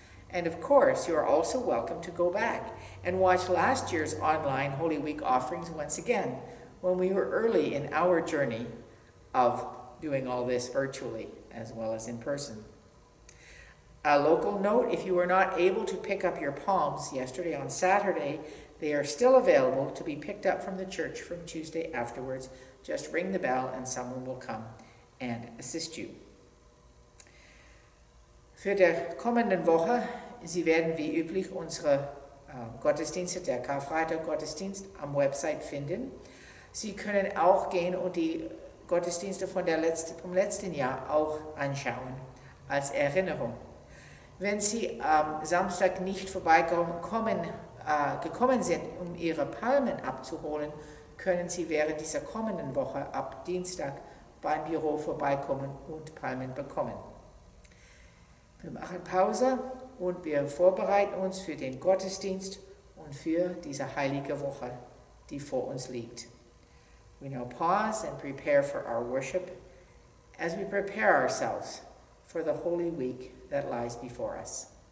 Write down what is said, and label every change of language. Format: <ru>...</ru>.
<en>And of course, you are also welcome to go back and watch last year's online Holy Week offerings once again, when we were early in our journey of doing all this virtually as well as in person. A local note, if you were not able to pick up your palms yesterday on Saturday, they are still available to be picked up from the church from Tuesday afterwards. Just ring the bell and someone will come and assist you.</en> <de>Für die kommenden Woche, Sie werden wie üblich unsere Gottesdienste, der Karfreitag-Gottesdienst, am Website finden. Sie können auch gehen und die Gottesdienste vom letzten Jahr auch anschauen, als Erinnerung. Wenn Sie am Samstag nicht vorbeigekommen sind, um Ihre Palmen abzuholen, können Sie während dieser kommenden Woche ab Dienstag beim Büro vorbeikommen und Palmen bekommen. Wir machen Pause und wir vorbereiten uns für den Gottesdienst und für diese heilige Woche, die vor uns liegt.</de> <en>We now pause and prepare for our worship as we prepare ourselves for the Holy Week that lies before us.</en>